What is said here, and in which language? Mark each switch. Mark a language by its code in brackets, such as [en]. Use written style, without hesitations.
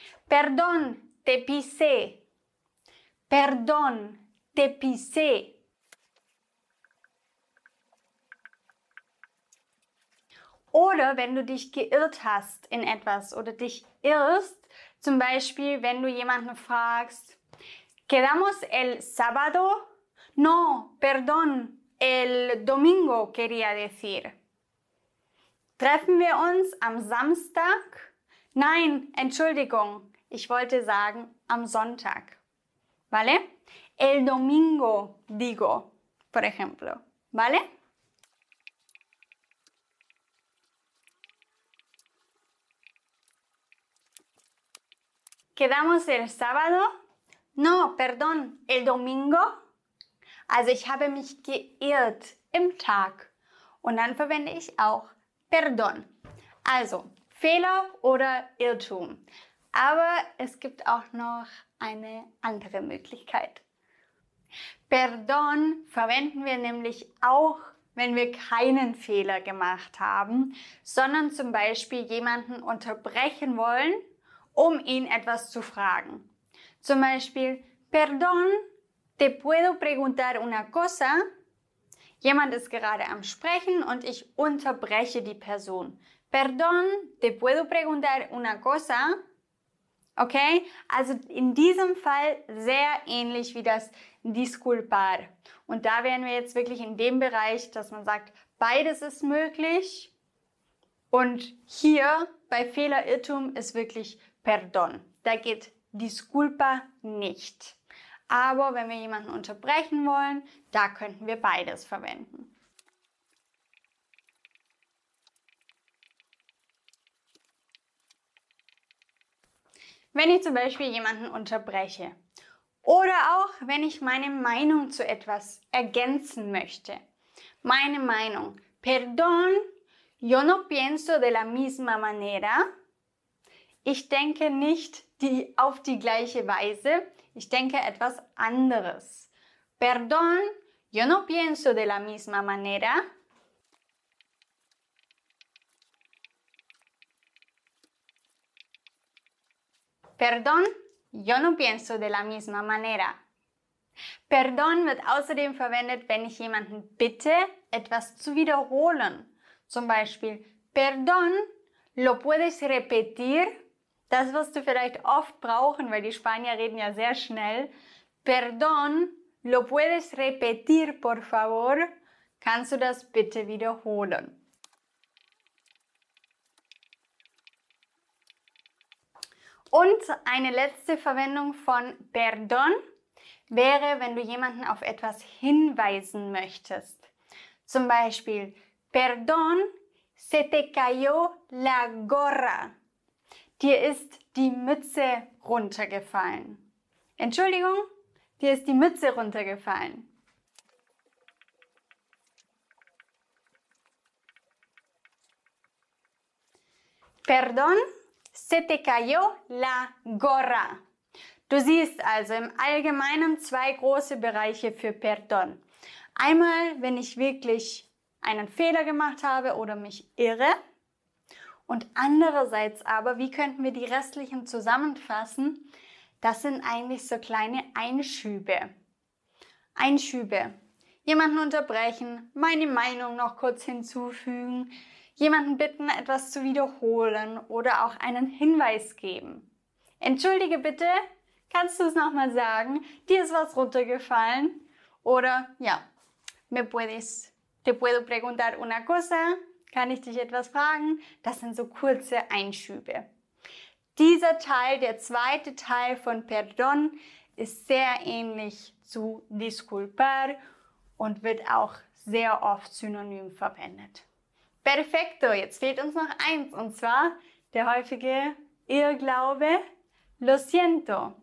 [es] Perdón, te pisé. Perdón, te pisé. [de] Oder wenn du dich geirrt hast in etwas oder dich irrst, zum Beispiel, wenn du jemanden fragst, [es] ¿Quedamos el sábado? No, perdón, el domingo quería decir. [de] Treffen wir uns am Samstag? Nein, Entschuldigung, ich wollte sagen am Sonntag. [es] ¿Vale? El domingo digo, por ejemplo. ¿Vale? ¿Quedamos el sábado? No, perdón, el domingo. [de] Also ich habe mich geirrt im Tag und dann verwende ich auch Perdón. Also Fehler oder Irrtum. Aber es gibt auch noch eine andere Möglichkeit. Perdón verwenden wir nämlich auch, wenn wir keinen Fehler gemacht haben, sondern zum Beispiel jemanden unterbrechen wollen, um ihn etwas zu fragen. Zum Beispiel Perdón. [es] Te puedo preguntar una cosa? [de] Jemand ist gerade am Sprechen und ich unterbreche die Person. [es] Perdón, te puedo preguntar una cosa? [de] Okay, also in diesem Fall sehr ähnlich wie das disculpar. Und da wären wir jetzt wirklich in dem Bereich, dass man sagt, beides ist möglich. Und hier bei Fehler, Irrtum ist wirklich perdón. Da geht disculpa nicht. Aber wenn wir jemanden unterbrechen wollen, da könnten wir beides verwenden. Wenn ich zum Beispiel jemanden unterbreche oder auch wenn ich meine Meinung zu etwas ergänzen möchte. Meine Meinung. [es] Perdón, yo no pienso de la misma manera. [de] Ich denke nicht auf die gleiche Weise. Ich denke etwas anderes. [es] Perdón, yo no pienso de la misma manera. Perdón, yo no pienso de la misma manera. [de] Perdón wird außerdem verwendet, wenn ich jemanden bitte, etwas zu wiederholen. Zum Beispiel, [es] perdón, lo puedes repetir? [de] Das wirst du vielleicht oft brauchen, weil die Spanier reden ja sehr schnell. Perdón, [es] Lo puedes repetir, por favor? [de] Kannst du das bitte wiederholen? Und eine letzte Verwendung von perdón wäre, wenn du jemanden auf etwas hinweisen möchtest. Zum Beispiel, [es] perdón, se te cayó la gorra. [de] Dir ist die Mütze runtergefallen. Entschuldigung, dir ist die Mütze runtergefallen. [es] Perdón, se te cayó la gorra. [de] Du siehst also im Allgemeinen zwei große Bereiche für perdón. Einmal, wenn ich wirklich einen Fehler gemacht habe oder mich irre. Und andererseits aber, wie könnten wir die restlichen zusammenfassen? Das sind eigentlich so kleine Einschübe. Einschübe. Jemanden unterbrechen, meine Meinung noch kurz hinzufügen, jemanden bitten, etwas zu wiederholen oder auch einen Hinweis geben. Entschuldige bitte, kannst du es nochmal sagen? Dir ist was runtergefallen? Oder ja, [es] te puedo preguntar una cosa? [de] Kann ich dich etwas fragen? Das sind so kurze Einschübe. Dieser Teil, der zweite Teil von perdón, ist sehr ähnlich zu disculpar und wird auch sehr oft synonym verwendet. Perfecto, jetzt fehlt uns noch eins und zwar der häufige Irrglaube, lo siento.